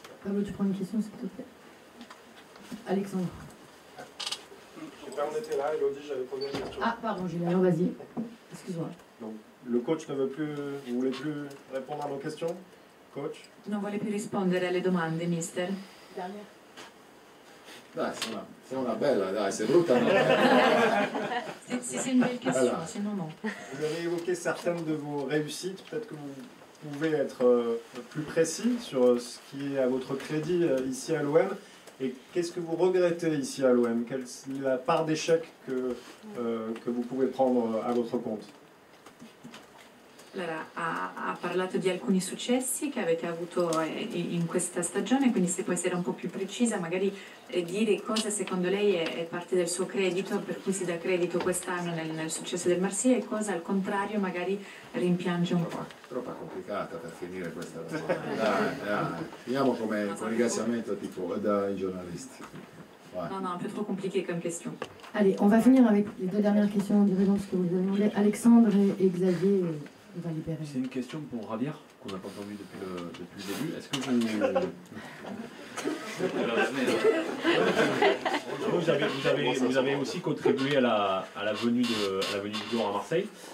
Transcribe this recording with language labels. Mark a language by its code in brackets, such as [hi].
[fr] Pablo, tu prends une question s'il te plaît. Alexandre. Je sais pas, on était là, Elodie, j'avais posé une question. Ah pardon, Julien, alors vas-y, excuse-moi. Donc, le coach ne veut plus, vous voulez plus répondre à nos questions? [it] Non vuole più rispondere alle domande, mister. Dai, sei una bella, dai, sei brutta. Sì, no? [fr] c'est une belle question, allora. Sinon non. Vous avez évoqué certaines de vos réussites, peut-être que vous pouvez être plus précis sur ce qui est à votre crédit ici à l'OM, et qu'est-ce que vous regrettez ici à l'OM? Quelle est la part d'échec que vous pouvez prendre à votre compte? [it] Allora, ha parlato di alcuni successi che avete avuto in questa stagione, quindi se può essere un po' più precisa, magari dire cosa secondo lei è parte del suo credito, per cui si dà credito quest'anno nel successo del Marsiglia, e cosa al contrario magari rimpiange un po'. Troppo complicata per finire questa domanda. Dai, finiamo con ringraziamento tipo dai giornalisti. [fr] Non, un peu trop compliqué comme question. Allez, on va finir avec les deux dernières questions, parce que vous avez voulu, Alexandre et Xavier. C'est une question pour Radir, qu'on n'a pas entendu depuis le début. Est-ce que vous... vous avez aussi contribué à la venue du joueur à Marseille.